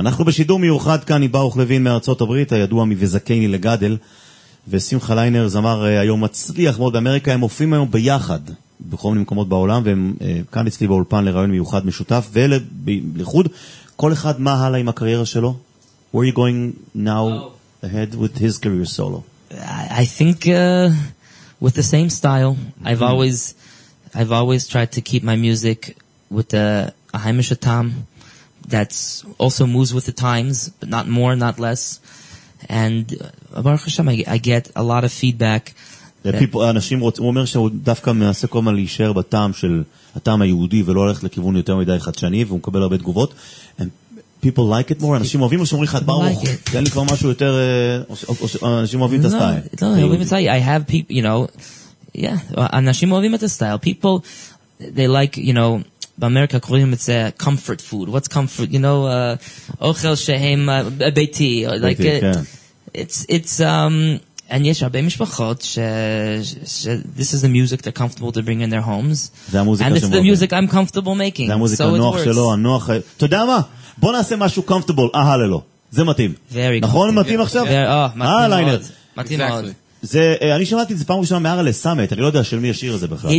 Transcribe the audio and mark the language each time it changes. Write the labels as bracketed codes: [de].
[he] אנחנו בשידור מיוחד כאן, עם ברוך לוין מארצות הברית, הידוע מבזקני לגדל, ושמחה ליינר זמר היום מצליח מאוד באמריקה, הם מופיעים היום ביחד, בכל מיני מקומות בעולם, והם כאן אצלי באולפן לרעיון מיוחד משותף, ואלה, לחוד, כל אחד מה הלאה עם הקריירה שלו? [en] Where are you going now ahead with his career solo? I think with the same style, mm-hmm. I've always tried to keep my music with a Haimish Atam that's also moves with the times, but not more, not less. And Baruch Hashem, I get a lot of feedback. [he] אנשים רוצים, הוא אומר שהוא דווקא מעשה כל מה להישאר בטעם של הטעם היהודי ולא הולך לכיוון יותר מדי חדשני, והוא מקבל הרבה תגובות. [en] People like it more? [he] אנשים אוהבים או שאומרים לך את ברוך? תן לי כבר משהו יותר, אנשים אוהבים את הסטייל. [en] No, let me tell you, I have people, you know, yeah, [he] אנשים אוהבים את הסטייל. [en] People, they like, you know, [he] באמריקה קוראים את זה [en] comfort food. What's comfort? You know, [he] אוכל שהם ביתי. ביתי, כן. [en] It's And yes, [he] הרבה משפחות ש [en] this is the music they're comfortable to bring in their homes. And it's the music I'm comfortable making. [he] זה המוזיקה הנוח שלו, הנוח. אתה יודע מה? בוא נעשה משהו comfortable. ללו. זה מתאים. [en] Very good. [he] נכון, מתאים עכשיו? מתאים מאוד. מתאים מאוד. זה, אני שמעתי את זה פעם ראשונה מהרלה סאמט, אני לא יודע של מי השיר הזה בכלל.